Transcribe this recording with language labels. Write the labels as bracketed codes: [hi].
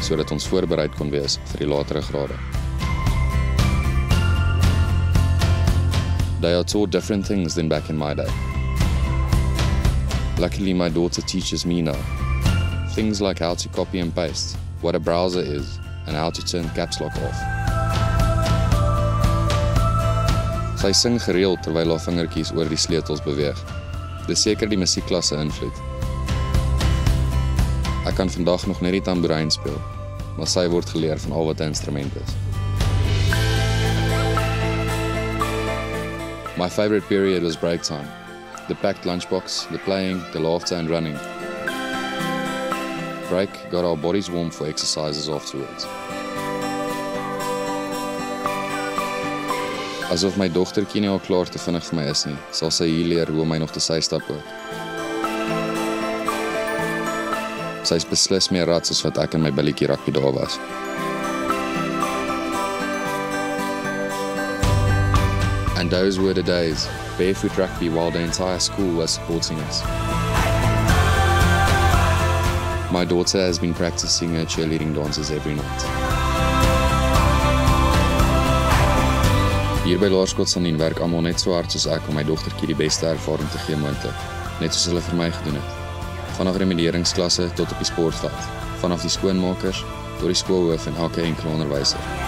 [af] Sodat ons voorbereid kon wees vir die latere grade. [en] They are taught different things than back in my day. Luckily, my daughter teaches me now. Things like how to copy and paste, what a browser is, and how to turn caps lock off. [af] Sy sing gereeld terwyl haar vingertjies oor die sleutels beweeg. Dis seker die musiekklasse invloed. Ek kan vandag nog net die tamboerijn speel, maar sy word geleer van al wat 'n instrument is. [en] My favorite period was break time. The packed lunchbox, the playing, the laughter and running. Break got our bodies warm for exercises afterwards. [af] Asof my dogtertjie nie al klaar te vinnig vir my is nie, sal sy hier leer hoe my nog te sy stap ook. Sy is beslis meer rats as wat ek in my billiekie rakpie daar was. [en] And those were the days, barefoot rugby while the entire school was supporting us. My daughter has been practicing her cheerleading dances every night. [af] Hier by Laerskool Sanin werk almal net so hard soos ek om my dogtertjie die beste ervaring te gee moontlik, net soos hulle vir my gedoen het. Vanaf remedieringsklasse tot op die sportveld, vanaf die skoonmakers tot die skoolhoof en elke enkele onderwyser.